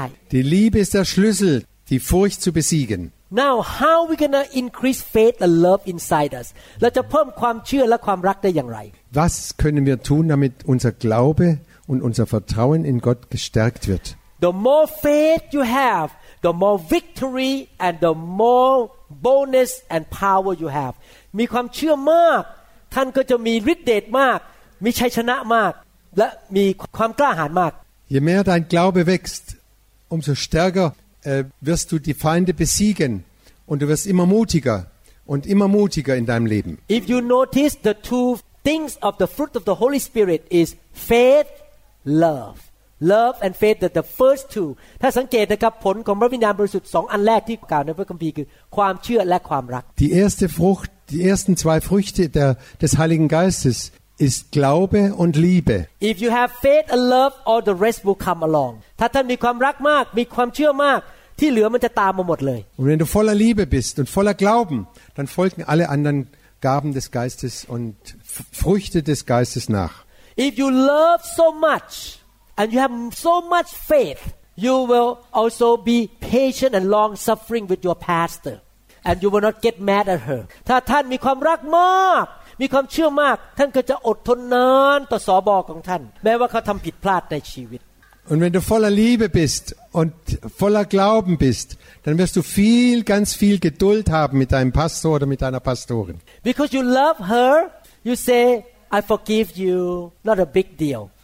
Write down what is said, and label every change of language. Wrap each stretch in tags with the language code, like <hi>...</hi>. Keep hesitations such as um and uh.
<de>Die Liebe ist der Schlüssel, die Furcht zu besiegen.</de> <en>Now how are we gonna increase faith and love inside us?</en> <th>เราจะเพิ่มความเชื่อและความรักได้อย่างไร</th> <de>Was können wir tun, damit unser Glaube und unser Vertrauen in Gott gestärkt wird?</de> <en>The more faith you have, the more victory and the more bonus and power you have.</en> <th>มีความเชื่อมาก ท่านก็จะมีฤทธิ์เดชมาก มีชัยชนะมาก และมีความ กล้าหาญมาก</th> <de>Je mehr dein Glaube wächst, umso stärker wirst du die Feinde besiegen und du wirst immer mutiger und immer mutiger in deinem Leben.</de> <en>If you notice the two things of the fruit of the Holy Spirit is faith, love. Love and faith the, the first two.</en> <th>ถ้าสังเกตนะครับผลของพระวิญญาณบริสุทธิ์สองอันแรกที่กล่าวในพระคัมภีร์คือความเชื่อและความรัก</th> <de>Die erste Frucht, die ersten zwei Früchte der des Heiligen Geistes ist Glaube und Liebe.</de> <en>If you have faith and love, all the rest will come along.</en> <th>ถ้าท่านมีความรักมากมีความเชื่อมาก und</th> <de>wenn du voller Liebe bist und voller Glauben, dann folgen alle anderen Gaben des Geistes und F Früchte des Geistes nach.</de> <en>If you love so much and you have so much faith, you will also be patient and long suffering with your pastor and you will not get mad at her.</en> <th>ถ้าท่านมีความรักมาก มีความเชื่อมาก ท่านก็จะอดทนนานต่อสอบอของท่าน แม้ว่าเขาทำผิดพลาดในชีวิต</th> <de>und wenn du voller Liebe bist und voller Glauben bist, dann wirst du viel, ganz viel Geduld haben mit deinem Pastor oder mit deiner Pastorin.</de> <en>Because you love her, you say, I forgive you, not a big deal.</en>